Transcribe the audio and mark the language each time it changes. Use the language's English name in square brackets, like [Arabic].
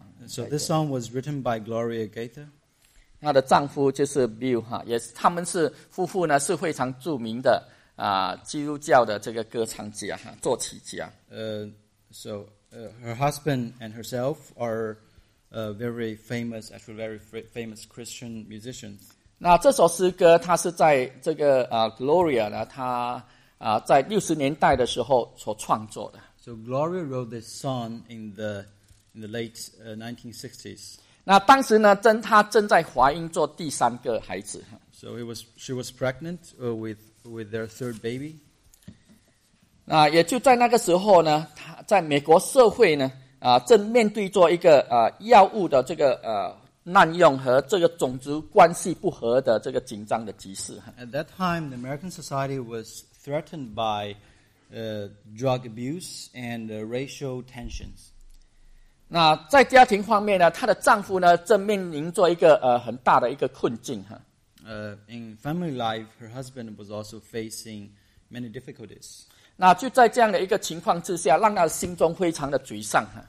[English] So this song was written by Gloria Gaither. [Chinese] 她的丈夫就是 Bill 哈，也是他们是夫妇呢，是非常著名的基督教的这个歌唱家哈，作曲家。 [English] Her husband and herself are very famous, actually very famous Christian musicians. [Chinese] 那这首诗歌，它是在这个Gloria 呢，她在60年代的时候所创作的。 [English] So Gloria wrote this song in the late 1960s. [Chinese] 那当时呢，她正在怀孕做第三个孩子。 [English] So she was pregnant with their third baby. [Chinese] 那也就在那个时候呢，在美国社会呢，正面对着一个药物的这个滥用和这个种族关系不合的这个紧张的局势。 [English] At that time, the American society was threatened by drug abuse and racial tensions. [Chinese] 那在家庭方面呢，她的丈夫呢，正面临着一个很大的一个困境哈。 [English] In family life, her husband was also facing many difficulties. [Chinese] 那就在这样的一个情况之下，让她心中非常的沮丧。